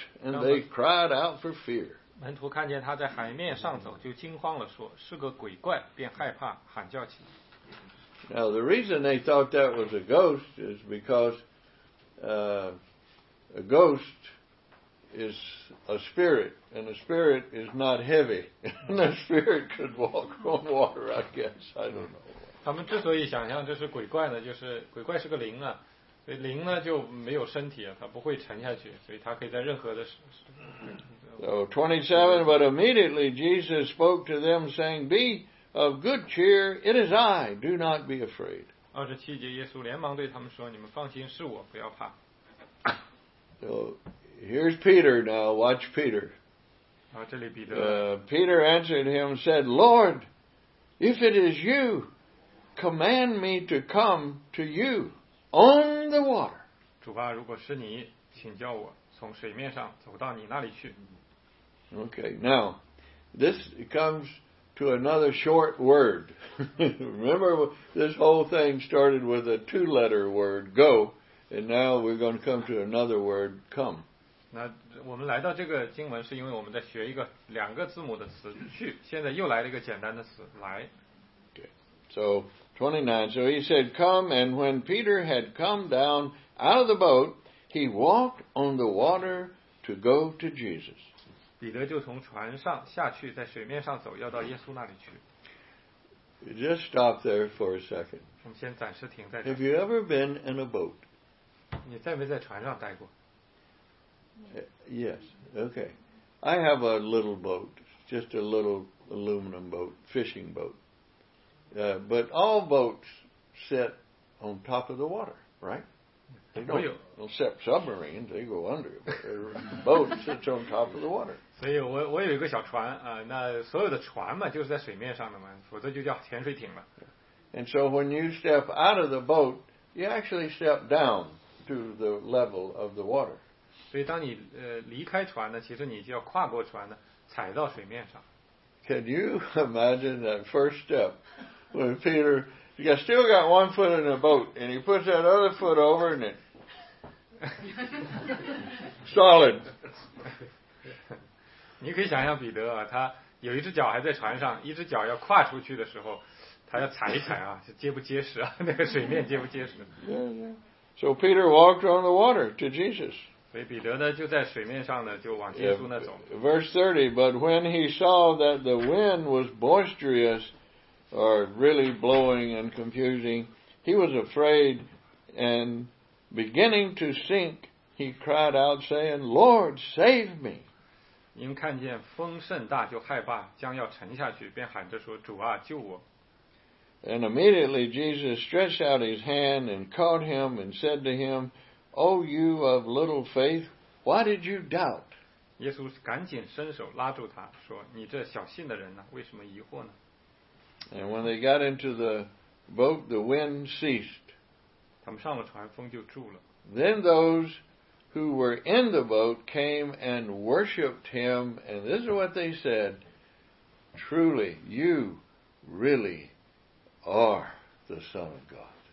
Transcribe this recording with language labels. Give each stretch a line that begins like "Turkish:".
English: And they cried out for fear. Now, the reason they thought that was a ghost is because a ghost is a spirit, and a spirit is not heavy, and a spirit could walk on water, I guess. I don't know.
Chinese: 所以灵呢就没有身体，它不会沉下去，所以它可以在任何的。
English: So 27, but immediately Jesus spoke to them, saying, "Be of good cheer, it is I, do not be afraid."
Chinese: 27节，耶稣连忙对他们说，你们放心，是我，不要怕。
English: So here's Peter now, watch Peter.
Chinese: 这里彼得。
English: Peter answered him, said, "Lord, if it is you, command me to come to you on the water."
Chinese: 主吧，如果是你，请叫我从水面上走到你那里去。
English: Okay, now, this comes to another short word. Remember, this whole thing started with a two-letter word, go, and now we're going to come to another word, come.
Chinese: 那我们来到这个经文是因为我们在学一个两个字母的词，去，现在又来了一个简单的词，来。
English: Okay, so, 29, so he said, come, and when Peter had come down out of the boat, he walked on the water to go to Jesus.
Chinese: 彼得就从船上下去，在水面上走，要到耶稣那里去。
English: Just stop there for a second.
Chinese: 我们先暂时停在这儿。
English: Have you ever been in a boat?
Chinese: 你在没在船上待过？
English: Yes, okay. I have a little boat, just a little aluminum boat, fishing boat. But all boats sit on top of the water, right? They don't sit submarine, they go under. Boat sits on top of the water.
Chinese: 所以我有一个小船啊，那所有的船嘛就是在水面上的嘛，否则就叫潜水艇嘛。
English: And so when you step out of the boat, you actually step down to the level of the water.
Chinese: 所以当你离开船呢，其实你就要跨过船呢，踩到水面上。
English: Can you imagine that first step when Peter, you still got one foot in the boat, and he puts that other foot over and it solid.
Chinese: 你可以想象彼得啊，他有一只脚还在船上，一只脚要跨出去的时候，他要踩一踩啊，结不结实啊，那个水面结不结实。
English: So Peter walked on the water to Jesus.
Chinese: 所以彼得呢就在水面上呢就往耶稣那走。
English: Verse 30, but when he saw that the wind was boisterous, or really blowing and confusing, he was afraid, and beginning to sink, he cried out, saying, "Lord, save me!"
Chinese: 因看见风甚大，就害怕，将要沉下去，便喊着说，主啊，救我。
English: And immediately Jesus stretched out his hand and caught him and said to him, "O you of little faith, why did you doubt?"
Chinese: 耶稣赶紧伸手拉住他，说，你这小信的人呢，为什么疑惑呢？
English: And when they got into the boat, the wind ceased.
Chinese: 他们上了船，风就住了。
English: Then those who were in the boat came and worshipped him, and this is what they said, "Truly, you really are the Son of God."